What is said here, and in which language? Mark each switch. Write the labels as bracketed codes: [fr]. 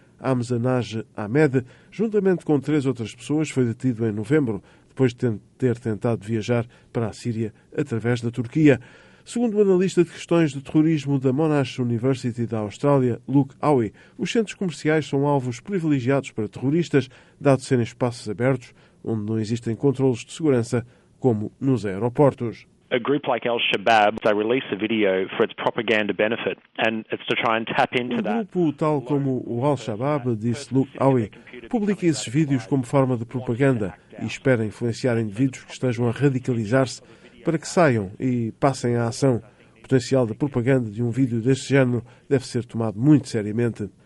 [pt] Hamza Naj Ahmed, juntamente com 3 outras pessoas, foi detido em novembro, depois de ter tentado viajar para a Síria através da Turquia. Segundo o analista de questões de terrorismo da Monash University da Austrália, Luke Howey, os centros comerciais são alvos privilegiados para terroristas, dado serem espaços abertos, onde não existem controlos de segurança, como nos aeroportos. [en] A group like Al-Shabaab, they release a video for its propaganda benefit, and it's to try and tap into that. [pt] Um grupo tal como o Al-Shabaab, disse Luke Howey, publica esses vídeos como forma de propaganda e espera influenciar indivíduos que estejam a radicalizar-se para que saiam e passem à ação. O potencial da propaganda de um vídeo deste género deve ser tomado muito seriamente.